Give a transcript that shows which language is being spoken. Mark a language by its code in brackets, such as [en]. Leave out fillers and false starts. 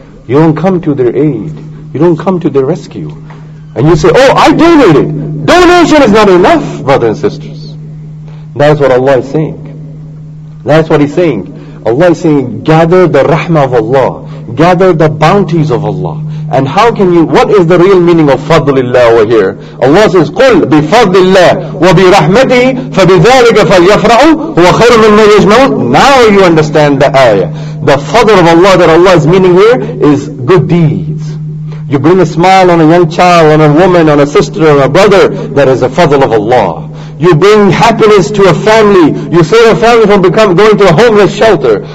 [en] You don't come to their aid. You don't come to their rescue. And you say, oh, I donated. Donation is not enough, brothers and sisters. That's what Allah is saying. That's what He's saying. Allah is saying, gather the rahmah of Allah. Gather the bounties of Allah. And how can you, what is the real meaning of fadlillah over here? Allah says, [ar] قُلْ بِفَضْلِ اللَّهِ وَبِرَحْمَتِهِ فَبِذَلِكَ فَلْيَفْرَعُوا هُوَ خَيْرٌ مِّمَّا يَجْمَعُونَ. [en] Now you understand the ayah. The fadl of Allah that Allah is meaning here is good deeds. You bring a smile on a young child, on a woman, on a sister, on a brother, that is a fadl of Allah. You bring happiness to a family. You save a family from going to a homeless shelter.